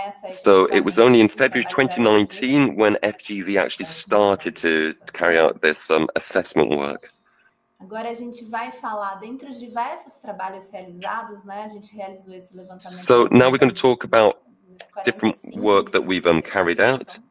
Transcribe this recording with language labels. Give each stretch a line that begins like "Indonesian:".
English: So it was only in February 2019 when FGV actually started to carry out this assessment work.
Portuguese: Agora a gente vai falar dentre os diversos trabalhos realizados, né? A gente realizou esse levantamento.
English: So now we're going to talk about different work that we've carried out.